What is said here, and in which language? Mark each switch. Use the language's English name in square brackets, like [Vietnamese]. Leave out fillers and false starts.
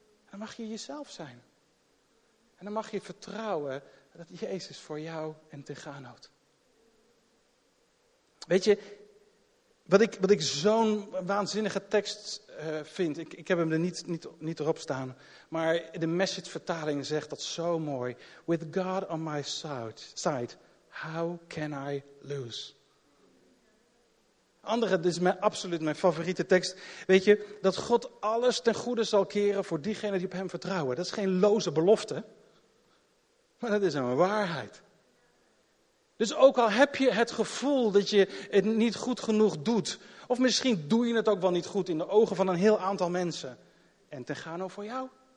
[Dutch] Dan mag je jezelf zijn. En dan mag je vertrouwen dat Jezus voor jou en te gaan houdt. Weet je, wat ik zo'n waanzinnige tekst vind, ik heb hem er niet erop staan, maar de Message vertaling zegt dat zo mooi. [English] With God on my side, how can I lose? [Dutch] Andere, dit is absoluut mijn favoriete tekst. Weet je, dat God alles ten goede zal keren voor diegenen die op hem vertrouwen. Dat is geen loze belofte, maar dat is een waarheid. Dus ook al heb je het gevoel dat je het niet goed genoeg doet, of misschien doe je het ook wel niet goed in de ogen van een heel aantal mensen, en ten gano voor jou.